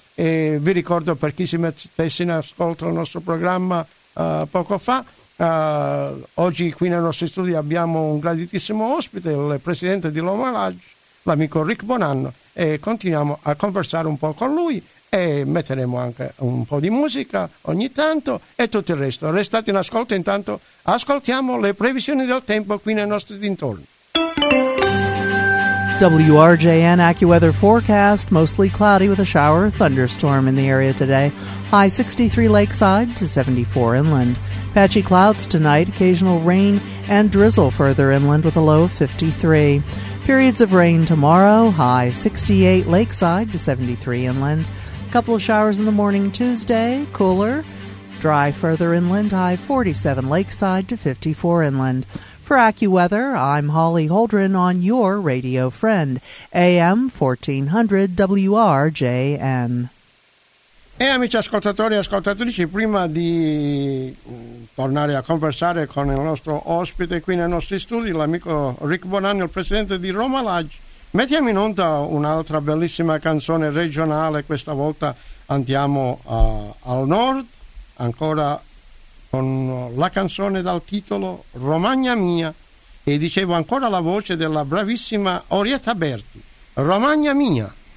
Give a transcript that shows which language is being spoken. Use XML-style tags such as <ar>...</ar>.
<it>E vi ricordo, per chi si mettesse in ascolto il nostro programma poco fa, oggi qui nei nostri studi abbiamo un graditissimo ospite, il presidente di Loma Lodge, l'amico Rick Bonanno, e continuiamo a conversare un po' con lui e metteremo anche un po' di musica ogni tanto e tutto il resto. Restate in ascolto, intanto ascoltiamo le previsioni del tempo qui nei nostri dintorni.</it> <en>WRJN AccuWeather Forecast, mostly cloudy with a shower or thunderstorm in the area today. High 63 lakeside to 74 inland. Patchy clouds tonight, occasional rain and drizzle further inland with a low of 53. Periods of rain tomorrow, high 68 lakeside to 73 inland. A couple of showers in the morning Tuesday, cooler, dry further inland, high 47 lakeside to 54 inland. For AccuWeather, I'm Holly Holdren on your radio friend, AM 1400 WRJN.</en> <it>E amici ascoltatori e ascoltatrici, prima di tornare a conversare con il nostro ospite qui nei nostri studi, l'amico Rick Bonanno, il presidente di Roma Lodge, mettiamo in onda un'altra bellissima canzone regionale. Questa volta andiamo al nord, ancora con la canzone dal titolo Romagna Mia, e dicevo ancora la voce della bravissima Orietta Berti, Romagna Mia.</it>